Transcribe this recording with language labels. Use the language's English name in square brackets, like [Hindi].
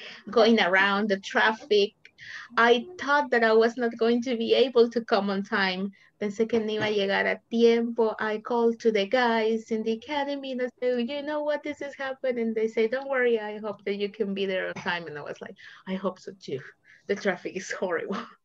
[English] Going around the traffic. I thought that I was not going to be able to come on time. [Spanish] Pensé que no iba a llegar a tiempo. [English] I called to the guys in the academy and I said, you know what, this is happening. They say, don't worry, I hope that you can be there on time. And I was like, I hope so too. The traffic is horrible.